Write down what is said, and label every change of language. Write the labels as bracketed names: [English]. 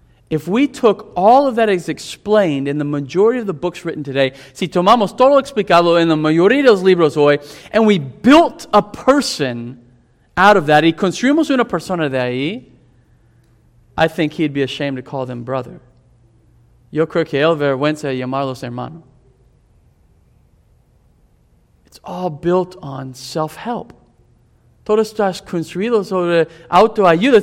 [English] If we took all of that as explained in the majority of the books written today, [Spanish] si tomamos todo explicado en la mayoría de los libros hoy, [English] and we built a person out of that, [Spanish] y construimos una persona de ahí, [English] I think he'd be ashamed to call them brother. [Spanish] Yo creo que él avergüenza de llamarlos hermano. [English] It's all built on self-help. [Spanish] Todo está construido sobre autoayuda.